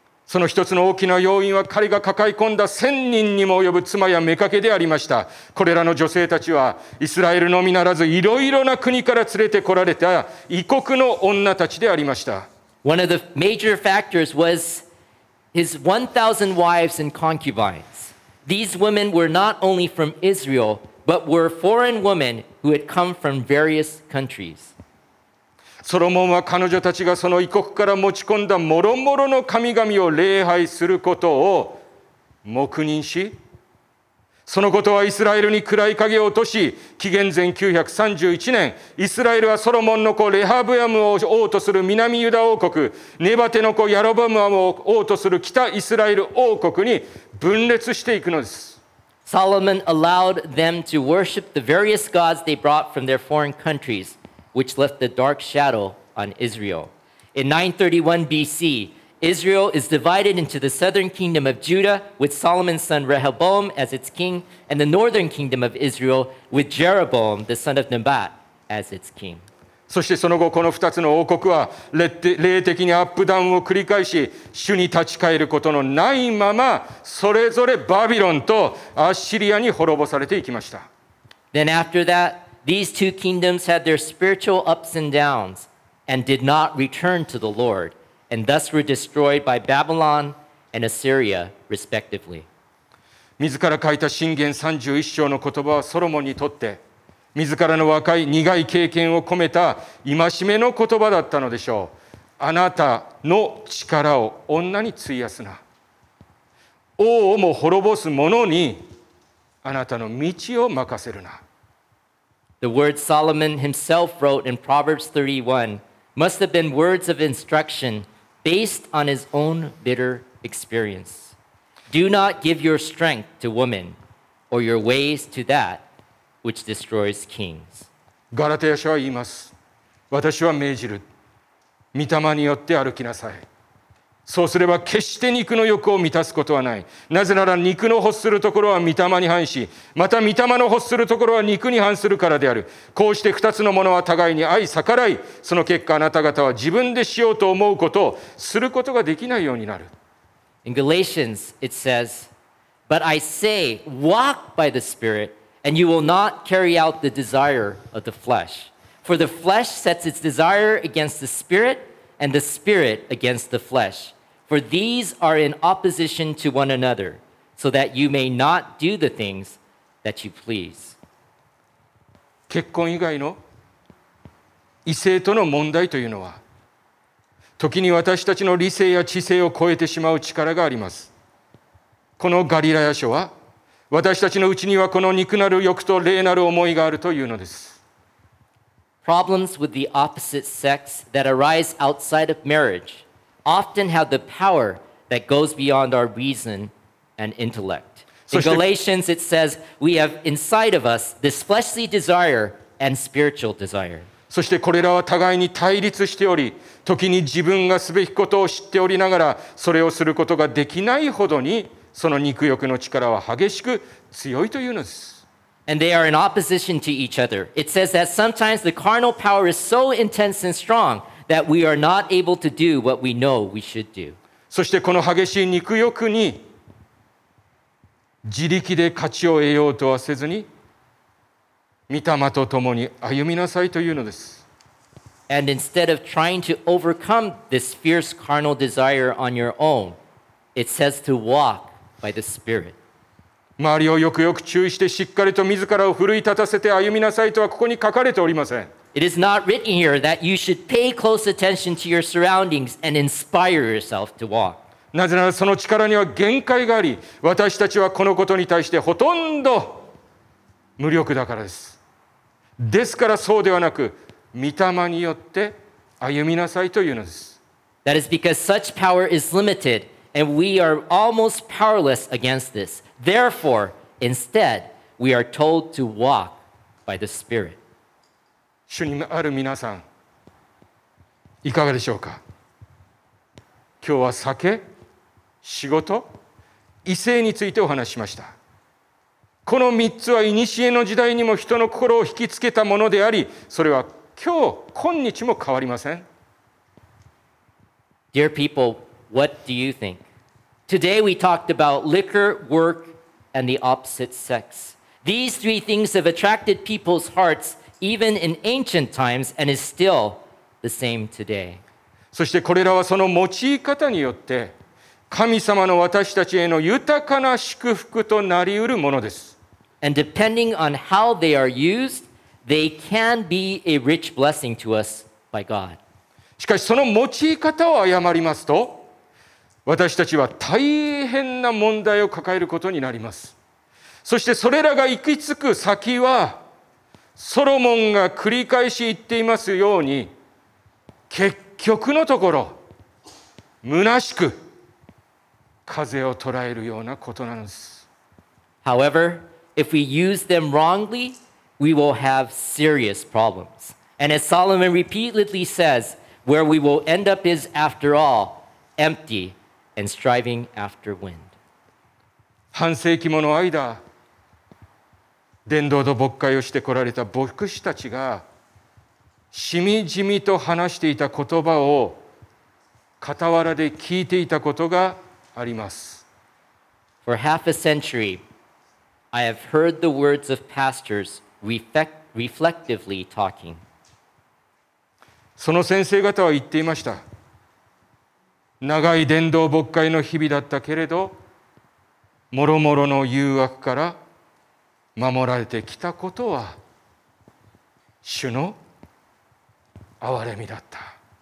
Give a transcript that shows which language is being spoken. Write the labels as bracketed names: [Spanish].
[Japanese] その一つの大きな要因は彼が抱え込んだ千人にも及ぶ妻や妾でありました。これらの女性たちはイスラエルのみならずいろいろな国から連れてこられた異国の女たちでありました。 [English] One of the major factors was his 1,000 wives and concubines. These women were not only from Israel, but were foreign women who had come from various countries. [Japanese] ソロモンは彼女たちがその異国から持ち込んだもろもろの神々を礼拝することを黙認し、そのことはイスラエルに暗い影を落とし、紀元前931年、イスラエルはソロモンの子レハブアムを王とする南ユダ王国、ネバテの子ヤロバムアムを王とする北イスラエル王国に分裂していくのです。 [English] Solomon allowed them to worship the various gods they brought from their foreign countries. Which left a dark shadow on Israel. In 931 BC, Israel is divided into the southern kingdom of Judah with Solomon's son Rehoboam as its king, and the northern kingdom of Israel with Jeroboam the son of Nebat as its king. [Japanese] そしてその後この2つの王国は霊的にアップダウンを繰り返し、主に立ち返ることのないままそれぞれバビロンとアッシリアに滅ぼされていきました。 [English] Then after that,These two kingdoms had their spiritual ups and downs and did not return to the Lord and thus were destroyed by Babylon and Assyria respectively. [Japanese] 自ら書いた箴言31章の言葉はソロモンにとって自らの若い苦い経験を込めた戒めの言葉だったのでしょう。あなたの力を女に費やすな。王をも滅ぼす者にあなたの道を任せるな。 [English] The words Solomon himself wrote in Proverbs 31 must have been words of instruction based on his own bitter experience. Do not give your strength to women or your ways to that which destroys kings. [Japanese] ガラテヤ書は言います。私は命じる。御霊によって歩きなさい。そうすれば決して肉の欲を満たすことはない。なぜなら肉の欲するところは御霊に反し、また御霊の欲するところは肉に反するからである。こうして二つのものは互いに相逆らい、その結果あなた方は自分でしようと思うことをすることができないようになる。 [English] In Galatians, it says, But I say, walk by the Spirit, and you will not carry out the desire of the flesh. For the flesh sets its desire against the Spirit,And the spirit against the flesh. For these are in opposition to one another, so that you may not do the things that you please. [Japanese] 結婚以外の異性との問題というのは、時に私たちの理性や知性を超えてしまう力があります。このガリラヤ書は、私たちのうちにはこの肉なる欲と霊なる思いがあるというのです。 [English] Problems with the opposite sex that arise outside of marriage often have the power that goes beyond our reason and intellect. In Galatians, it says, we have inside of us this fleshly desire and spiritual desire. [Japanese] そしてこれらは互いに対立しており、時に自分がすべきことを知っておりながら、それをすることができないほどに、その肉欲の力は激しく強いというのです。 [English] And they are in opposition to each other. It says that sometimes the carnal power is so intense and strong that we are not able to do what we know we should do. [Japanese] そしてこの激しい肉欲に自力で勝ちを得ようとはせずに、御霊と共に歩みなさいというのです。 [English] And instead of trying to overcome this fierce carnal desire on your own, it says to walk by the Spirit. [Japanese] 周りをよくよく注意してしっかりと自らを奮い立たせて歩みなさいとはここに書かれておりません。 [English] It is not written here that you should pay close attention to your surroundings and inspire yourself to walk. [Japanese] なぜならその力には限界があり、私たちはこのことに対してほとんど無力だからです。ですからそうではなく、御霊によって歩みなさいというのです。 [English] That is because such power is limited. And we are almost powerless against this. Therefore, instead, we are told to walk by the Spirit. [Japanese] 主にある皆さん、いかがでしょうか。今日は酒、仕事、異性についてお話しました。この三つは古の時代にも人の心を引きつけたものであり、それは今日、今日も変わりません。 [English] Dear people, what do you think? Today we talked about liquor, work, and the opposite sex. These three things have attracted people's hearts even in ancient times and is still the same today. [Japanese] そしてこれらはその用い方によって神様の私たちへの豊かな祝福となりうるものです。 [English] And depending on how they are used, they can be a rich blessing to us by God. [Japanese] しかしその用い方を誤りますと私たちは大変な問題を抱えることになります。そしてそれらが行き着く先は、ソロモンが繰り返し言っていますように、結局のところ、虚しく風を捉えるようなことなんです。 [English] However, if we use them wrongly, we will have serious problems. And as Solomon repeatedly says, where we will end up is, after all, empty. And striving after wind. [Japanese] 半世紀もの間、伝道と牧会をしてこられた牧師たちがしみじみと話していた言葉を傍らで聞いていたことがあります。 [English] For half a century, I have heard the words of pastors reflectively talking. [Japanese] その先生方は言っていました。長い伝道牧会の日々だったけれど、もろもろの誘惑から守られてきたことは、主の憐れみだった。